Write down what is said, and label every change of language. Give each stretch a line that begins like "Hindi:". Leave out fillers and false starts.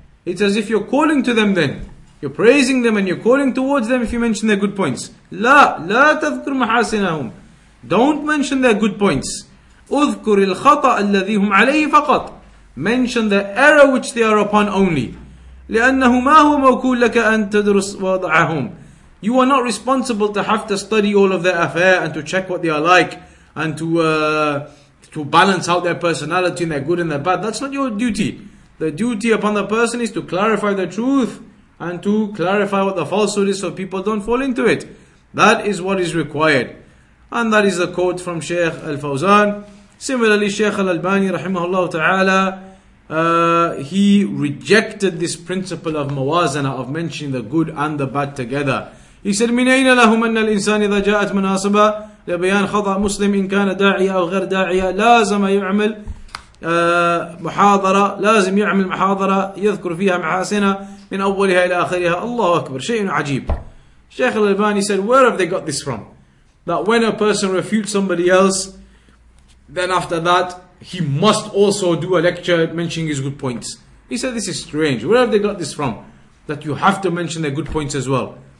English: It's as if you're calling to them then. You're praising them and you're calling towards them if you mention their good points.
Arabic: لا تَذْكُرْ مَحَاسِنَهُمْ.
English: Don't mention their good points.
Arabic: أُذْكُرِ الْخَطَأَ الَّذِي هُمْ عَلَيْهِ فَقَطْ.
English: Mention the error which they are upon only.
Arabic: لأنه ما هو موكول لك أن تدرس وضعهم.
English: You are not responsible to have to study all of their affair and to check what they are like and to balance out their personality and their good and their bad. That's not your duty. The duty upon the person is to clarify the truth and to clarify what the falsehood is so people don't fall into it. That is what is required. And that is a quote from Shaykh Al-Fawzan. Similarly, Shaykh Al-Albani rahimahullah ta'ala, he rejected this principle of mawazana, of mentioning the good and the bad together. He said,
Arabic: مِنْ أَيْنَ لَهُمْ أَنَّ الْإِنسَانِ إِذَا جَاءَتْ مُنَاصِبًا لَبَيَانْ خَطَأْ مُسْلِمْ إِنْ كَانَ دَاعِيًا أَوْ غَرْ دَاعِيًا لَازَمَ يُعْمَلْ محاضرة لازم يعمل محاضرة يذكر فيها محاسنة من أولها إلى آخرها. الله أكبر. شيء عجيب.
English: Shaykh Al-Albani said, where have they got this from? That when a person refutes somebody else, then after that he must also do a lecture mentioning his good points. He said, this is strange. Where have they got this from? That you have to mention their good points as well.